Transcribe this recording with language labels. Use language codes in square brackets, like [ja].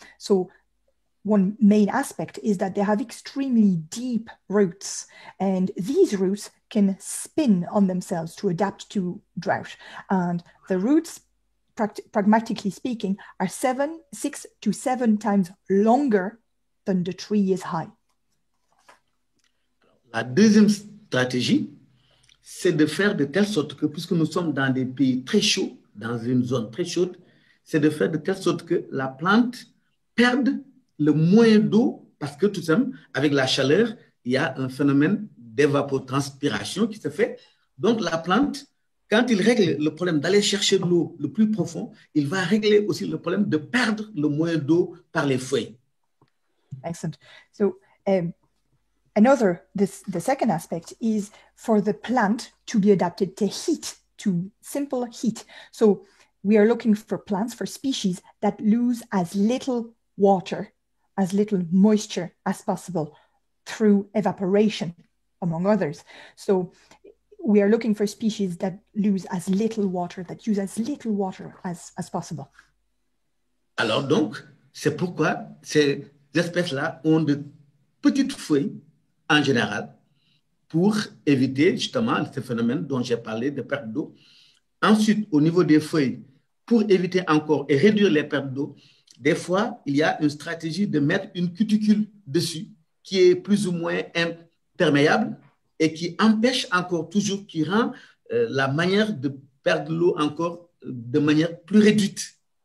[en] So, one main aspect is that they have extremely deep roots, and these roots can spin on themselves to adapt to drought. And the roots, pragmatically speaking, are six to seven times longer than the tree is high. [fr] La deuxième stratégie, c'est de faire de telle sorte que, puisque nous sommes dans des pays très chauds, dans une zone très chaude, c'est de faire de telle sorte que la plante perde le moins d'eau, parce que tout simplement, avec la chaleur, il y a un phénomène d'évapotranspiration qui se fait. Donc, la plante, quand il règle le problème d'aller chercher de l'eau le plus profond, il va régler aussi le problème de perdre le moins d'eau par les feuilles. Excellent. [en] So, another, the second aspect is for the plant to be adapted to heat, to simple heat. So, we are looking for plants, for species that lose as little water, as little moisture as possible through evaporation, among others. So we are looking for species that lose as little water, that use as little water as possible. [fr] Alors donc, c'est pourquoi ces espèces-là ont de petites feuilles en général pour éviter justement ce phénomène dont j'ai parlé de perte d'eau. Ensuite, au niveau des feuilles, pour éviter encore et réduire les pertes d'eau, des fois, il y a une stratégie de mettre une cuticule dessus qui est plus ou moins imperméable et qui empêche encore toujours, qui rend la manière de perdre l'eau encore de manière plus réduite.